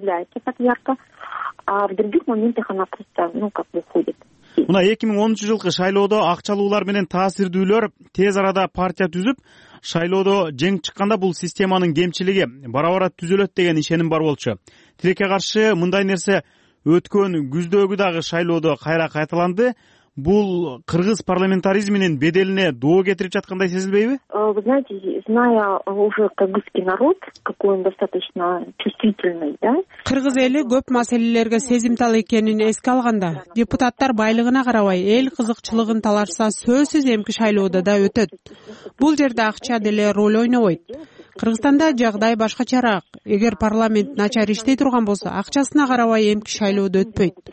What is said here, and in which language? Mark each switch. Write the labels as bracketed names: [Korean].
[Kyrgyz] Мына 2010 жылкы шайлоодо акчалуулар менен таасирдүүлөр тез арада партия түзүп, шайлоодо жеңип чыкканда бул системанын кемчилиги бара бара түзөлөт деген ишеним бар болчу. Тилекке каршы мындай нерсе өткөн күздөгү дагы шайлоодо кайра кайталанды. бул кыргыз парламентаризминин беделине доо кетирип жаткандай сезилбейби? [Russian] Вы знаете, зная уже кыргызский народ, какой он достаточно чувствительный, да? [Kyrgyz] Кыргыз эли көп маселелерге сезимтал экенин эске алганда, депутаттар байлыгына карабай, эл кызыкчылыгын таларса, сөзсүз эмки шайлоодо да өтөт. Бул жерде акча деле роль ойнобойт. Кыргызстанда жагдай башкачараак. Эгер парламент начар иштей турган болсо, акчасына карабай эмки шайлоодо өтпөйт.